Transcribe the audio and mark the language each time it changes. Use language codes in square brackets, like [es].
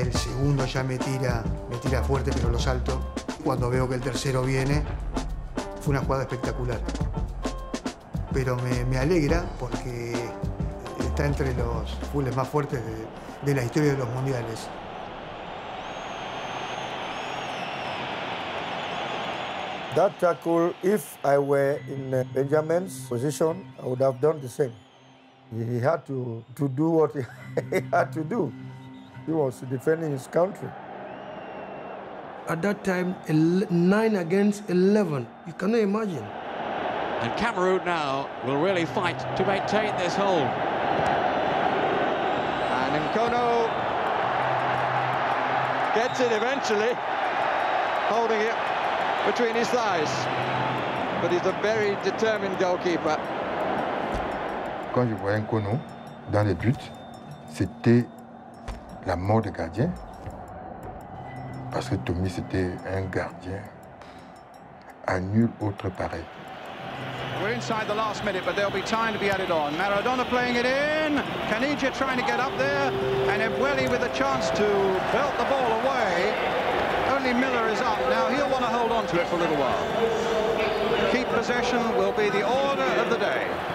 [es] El segundo ya me tira fuerte, pero lo salto. Cuando veo que el tercero viene, fue una jugada espectacular. Pero me alegra porque está entre los fulls más fuertes de la historia de los mundiales. [en] That tackle, if I were in Benjamin's position, I would have done the same. He had to do what he had to do. He was defending his country. At that time, 9 against 11. You cannot imagine. And Cameroon now will really fight to maintain this hold. And Nkono gets it eventually, holding it between his thighs, but he's a very determined goalkeeper. [fr] Quand je voyais Nkono dans les buts, c'était la mort de gardien. Parce que Tommy, c'était un gardien à nul autre pareil. Oui, [en] inside the last minute, but there'll be time to be added on. Maradona playing it in. Caniggia trying to get up there. And Ebweli with a chance to belt the ball away. Only Miller is up. Now he'll want to hold on to it for a little while. Keep possession will be the order of the day.